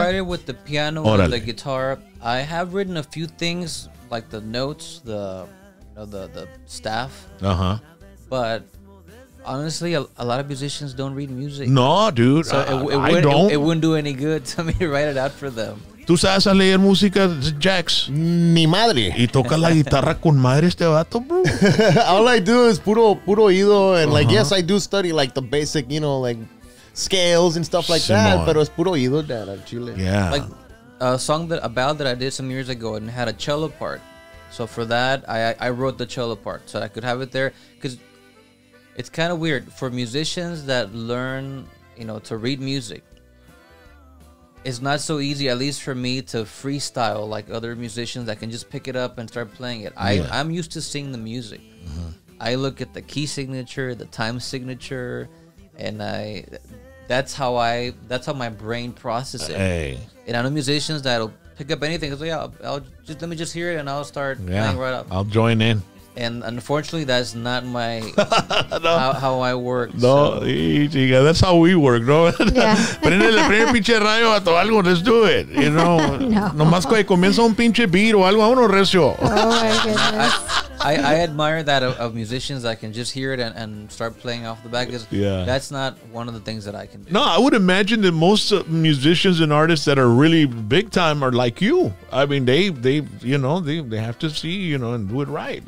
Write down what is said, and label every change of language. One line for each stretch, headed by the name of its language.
English: I write it with the piano and the guitar. I have written a few things, like the notes, the staff. Uh-huh. But honestly, a lot of musicians don't read music. No, dude. So it wouldn't do any good to me to write it out for them.
Spanish: ¿Tú sabes a leer música, Jax? Mi madre. ¿Y toca la guitarra con madre este vato, bro?
English: All I do is puro oído. And, like, yes, I do study, like, the basic, you know, like, scales and stuff like Simone. That.
Spanish: Pero es puro oído, dad, al chile.
English: Yeah. Like, a song that I did some years ago and had a cello part. So, for that, I wrote the cello part so I could have it there. Because it's kind of weird. For musicians that learn, you know, to read music, it's not so easy, at least for me, to freestyle like other musicians that can just pick it up and start playing it. Yeah. I'm used to seeing the music. Uh-huh. I look at the key signature, the time signature, and that's how my brain processes it. Hey. And I know musicians that'll pick up anything. So yeah, let me just hear it and I'll start playing right up. I'll join in. And unfortunately, that's not my how I work. No, chica, that's how we work, no?
Spanish: Prende el primer pinche radio a todo algo, let's do it. You know, nomás que comienza un pinche beat o algo, vámonos recio.
English: Oh, my goodness. I admire that of musicians that can just hear it and start playing off the back. That's not one of the things that I can do. No, I would imagine that most musicians and artists that are really big time are like you. I mean, they have to see, you know, and do it right.